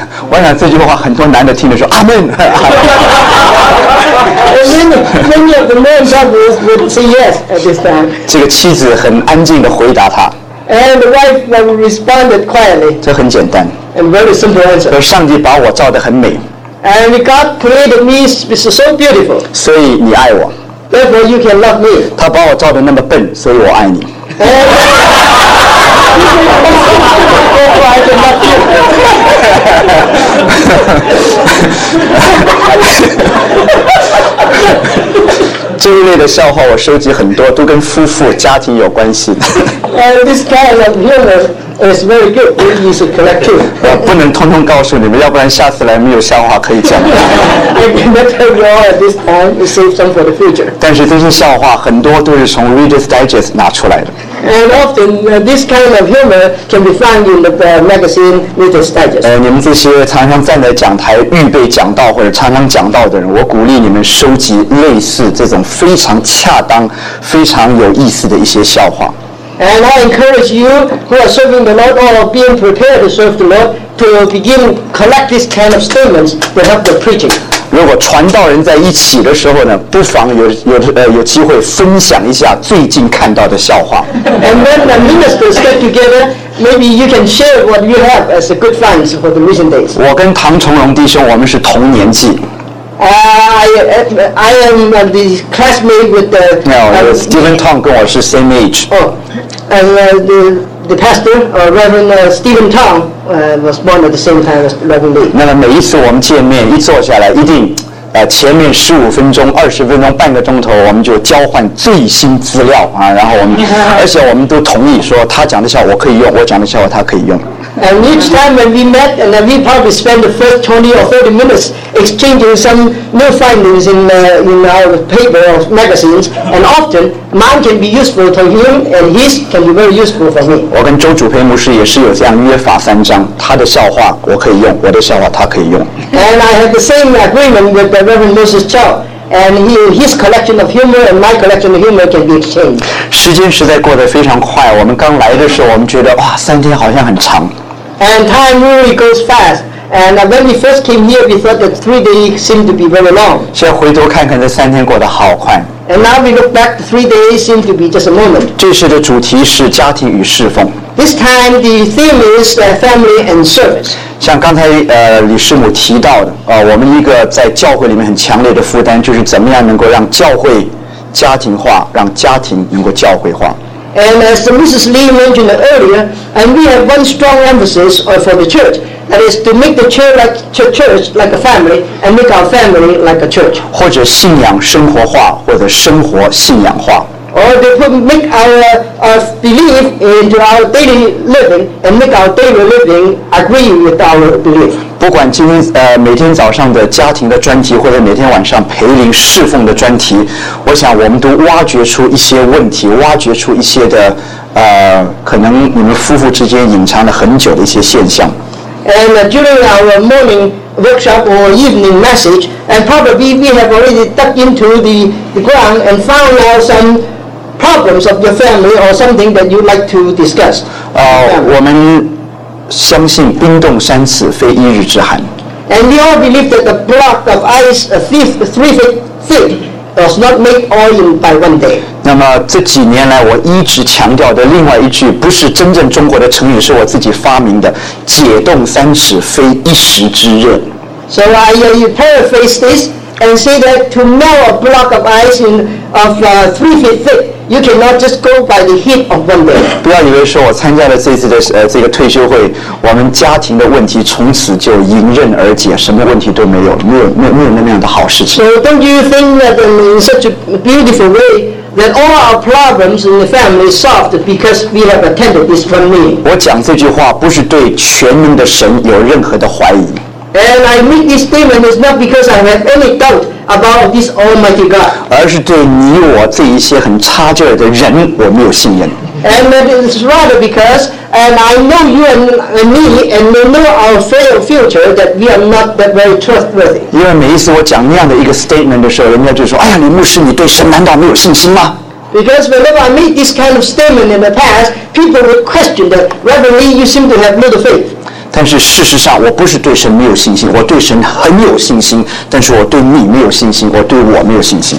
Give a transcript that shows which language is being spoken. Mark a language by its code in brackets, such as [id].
[zh] 我想这句话很多男的听着说阿门。 [en] And many of the men would say yes at this time. [zh] 这个妻子很安静地回答他。 [en] And the wife responded quietly. [zh] 这很简单。 [en] And very simple answer. [zh] 说上帝把我造得很美。 [en] And God created me is so beautiful. [zh] 所以你爱我。 [en] Therefore you can love me. [zh] 他把我造得那么笨，所以我爱你。这一类的笑话我收集很多，都跟夫妇家庭有关系的。 [en] This kind of humor is very good. We need to collect it. [zh] 我不能通通告诉你们，要不然下次来没有笑话可以讲。 [en] I cannot tell you all at this time. We save some for the future. [zh] 但是这些笑话很多都是从 Reader's Digest 拿出来的。 [en] And often this kind of humor can be found in the magazine Reader's Digest. [zh] 你们这些常常站在讲台预备讲道或者常常讲道的人，我鼓励你们收集类似这种非常恰当、非常有意思的一些笑话。 [en] And I encourage you who are serving the Lord or being prepared to serve the Lord to begin collect this kind of statements to help the preaching. [zh] 如果传道人在一起的时候呢，不妨有机会分享一下最近看到的笑话。 [en] And when the ministers get together, maybe you can share what you have as a good finds for the recent days. [zh] 我跟唐崇荣弟兄，我们是同年纪。 [en] I am the classmate with the. No, Stephen Tong [zh] 跟我是 [en] same age. Oh. And the pastor, Reverend Stephen Tong, was born at the same time as Reverend Lee. [zh] 那么每一次我们见面，一坐下来，一定，前面十五分钟、二十分钟、半个钟头，我们就交换最新资料啊。然后我们，而且我们都同意说，他讲的笑话我可以用，我讲的笑话他可以用。 [en] And each time when we met, and we probably spent the first 20 or 30 minutes exchanging some new findings in our paper or magazines, and often mine can be useful to him, and his can be very useful for me. [zh] 我跟周主培牧师也是有这样约法三章，他的笑话我可以用，我的笑话他可以用。 [en] And I have the same agreement with the Reverend Moses Chow, and his collection of humor and my collection of humor can be exchanged. [zh] 时间实在过得非常快，我们刚来的时候，我们觉得哇，三天好像很长。 [en] And time really goes fast. And when we first came here, we thought that 3 days seemed to be very long. [zh] 现在回头看看，这三天过得好快。 [en] And now we look back, 3 days seem to be just a moment. [zh] 这次的主题是家庭与侍奉。 [en] This time the theme is family and service. [zh] 像刚才李师母提到的，我们一个在教会里面很强烈的负担，就是怎么样能够让教会家庭化，让家庭能够教会化。 [en] And as Mrs. Lee mentioned earlier, and we have one strong emphasis for the church, that is to make the church like, church like a family, and make our family like a church. [zh] 或者信仰生活化，或者生活信仰化。 [en] Or to make our belief into our daily living, and make our daily living agree with our belief. [zh] 不管今天每天早上的家庭的专题，或者每天晚上培灵侍奉的专题，我想我们都挖掘出一些问题，挖掘出一些的可能你们夫妇之间隐藏了很久的一些现象。 [en] And during our morning workshop or evening message, and probably we have already dug into the ground and found out some. problems of your family or something that you'd like to discuss. [zh] 我们相信冰冻三尺非一日之寒。 [en] And they all believe that the block of ice, a thief, 3 feet thick, does not make all in by one day. [zh] 那么这几年来，我一直强调的另外一句，不是真正中国的成语，是我自己发明的，解冻三尺非一时之热。 [en] So I paraphrase this and say that to melt a block of ice in of 3 feet thick. You cannot just go by the heat of one day. [zh] 不要以为说我参加了这次的这个退休会，我们家庭的问题从此就迎刃而解，什么问题都没有，没有那样的好事情。 [en] So don't you think that in such a beautiful way that all our problems in the family solved because we have attended this one meeting? [zh] 我讲这句话不是对全能的神有任何的怀疑。 [en] And I make this statement is not because I have any doubt. About this Almighty God, [zh] 而是对你我这一些很差劲的人，我没有信任。 [en] And it is rather because, and I know you and me, and we know our failed future that we are not that very trustworthy. [zh] 因为每一次我讲那样的一个 statement 的时候，人家就说：“哎呀，李牧师，你对神难道没有信心吗？” [en] Because whenever I made this kind of statement in the past, people would question that, Reverend Lee, you seem to have little faith. [zh] 但是事实上，我不是对神没有信心，我对神很有信心。但是我对你没有信心，我对我没有信心。